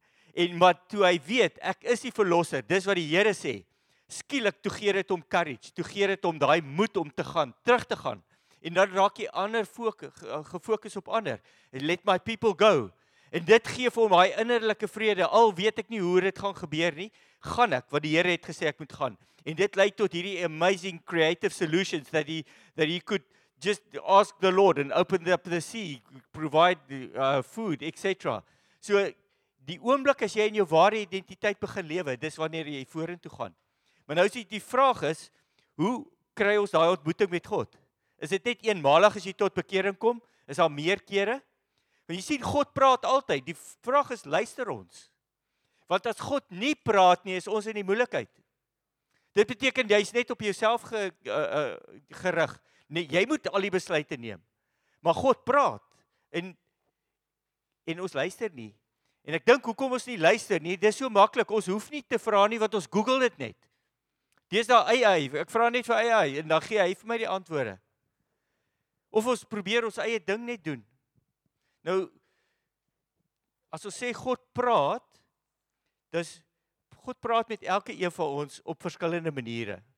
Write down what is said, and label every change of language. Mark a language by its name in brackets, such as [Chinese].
[Afrikaans] En maar toe hy weet, ek is die verlosser, dis wat die Here sê. Skielik toe gee dit hom courage, toe gee dit hom daai moed om te gaan, terug te gaan. En dan raak jy ander gefokus op ander. [English] Let my people go. [Afrikaans] En dit gee vir hom daai innerlike vrede. Al weet ek nie hoe dit gaan gebeur nie, gaan ek wat die Here het gesê ek moet gaan. En dit lei tot hierdie [English] amazing creative solutions that he could just ask the Lord and open up the sea, provide food, etc. [Afrikaans] So die oomblik as jy in jou ware identiteit begin lewe, dis wanneer jy vorentoe gaan. Maar nou is die vraag is, hoe kry ons daai ontmoeting met God? Is dit net eenmalig as jy tot bekering kom? Is daar meer kere? Want jy sien God praat altyd. Die vraag is luister ons? Want as God nie praat nie, is ons in die moeilikheid. Dit beteken jy's net op jouself gerig. Nee, jy moet al die besluite neem. Maar God praat en ons luister nie. En ek dink hoekom ons nie luister nie, dis so maklik. Ons hoef nie te vra nie wat ons Google dit net. Dis daar AI. Ek vra net vir AI en dan gee hy vir my die antwoorde. Of ons probeer ons eie ding net doen. Nou as ons sê God praat, dis God praat met elke een van ons op verskillende maniere.